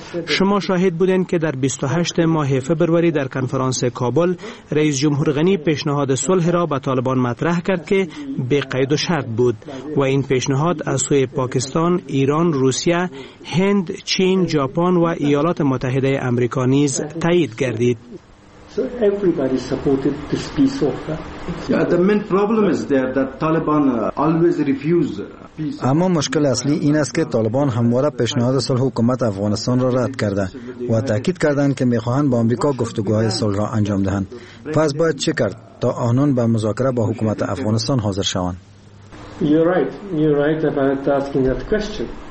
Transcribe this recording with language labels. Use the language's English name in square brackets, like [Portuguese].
[Persian] شما شاهد بودین که در 28 ماه فوریه در کنفرانس کابل رئیس جمهور غنی پیشنهاد صلح را به طالبان مطرح کرد که به قید و شرط بود و این پیشنهاد از سوی پاکستان، ایران، روسیه، هند، چین، ژاپن و ایالات متحده آمریکا نیز تایید گردید. [English] So everybody supported this peace offer. Yeah, the main problem is there that Taliban always refuse. [Persian] اما مشکل اصلی این است که طالبان همواره پیشنهاد صلح حکومت افغانستان را رد کرده و تاکید کردند که میخواهند با آمریکا گفتگوهای صلح را انجام دهند. پس باید چه کرد تا آنان به مذاکره با حکومت افغانستان حاضر شوند؟ [English] You're right about asking that question.